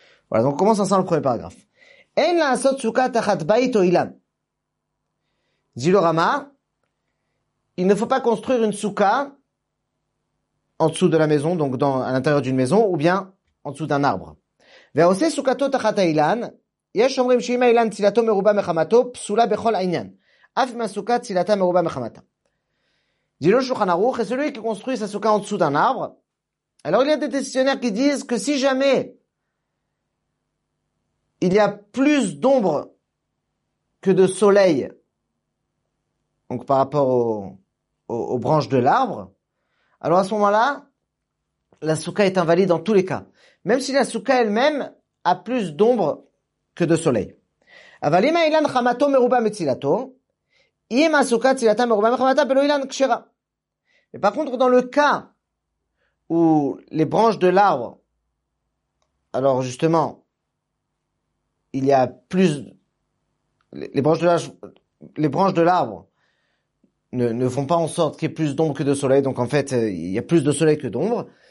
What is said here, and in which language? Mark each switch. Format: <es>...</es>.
<fr>Voilà, donc on commence ensemble le premier paragraphe.</fr> <he>En la asot souka tachat bayit oilan.</he> <fr>Dit le Rama, il ne faut pas construire une souka en dessous de la maison, donc dans, à l'intérieur d'une maison, ou bien en dessous d'un arbre.</fr> <he>Ve osé soukato tachat oilan. יש אומרים שאם האילן צילתו מרובה מחמתו, פסולה בכל העניין. אף אם הסוכה צילתה מרובה מחמתה. דילו שולחן ערוך,</he> <fr>et celui qui construit sa soukha en dessous d'un arbre, alors il y a des décisionnaires qui disent que si jamais il y a plus d'ombre que de soleil, donc par rapport aux branches de l'arbre, alors à ce moment-là, la soukha est invalide dans tous les cas. Même si la soukha elle-même a plus d'ombre que de soleil.</fr> <he>אבל אם אילן חמתו מרובה מצילתו, אם הסוכה צילתה מרובה מחמתה, ולא אילן כשרה.</he> <fr>Et par contre, dans le cas où les branches de l'arbre, alors justement, il y a plus, les branches de l'arbre ne font pas en sorte qu'il y ait plus d'ombre que de soleil, donc en fait, il y a plus de soleil que d'ombre.</fr>